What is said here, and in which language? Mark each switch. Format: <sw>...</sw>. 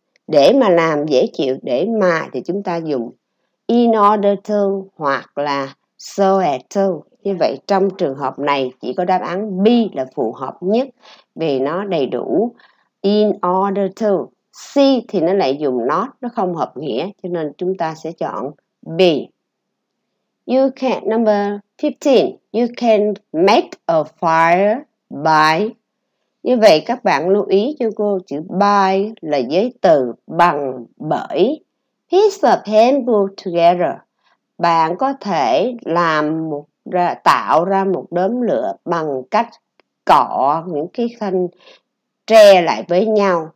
<vi>Để mà làm dễ chịu, để mà thì chúng ta dùng</vi> <en>in order to</en> <vi>hoặc là</vi> <en>so as to.</en> <vi>Như vậy trong trường hợp này chỉ có đáp án B là phù hợp nhất vì nó đầy đủ</vi> <en>in order to.</en> <vi>C thì nó lại dùng not, nó không hợp nghĩa, cho nên chúng ta sẽ chọn B.</vi> <en>You can, number 15, you can make a fire by.</en> <vi>Như vậy các bạn lưu ý cho cô, chữ by là giới từ bằng, bởi.</vi> <en>Piece of paper together.</en> <vi>Bạn có thể làm một tạo ra một đốm lửa bằng cách cọ những cái thanh tre lại với nhau.</vi>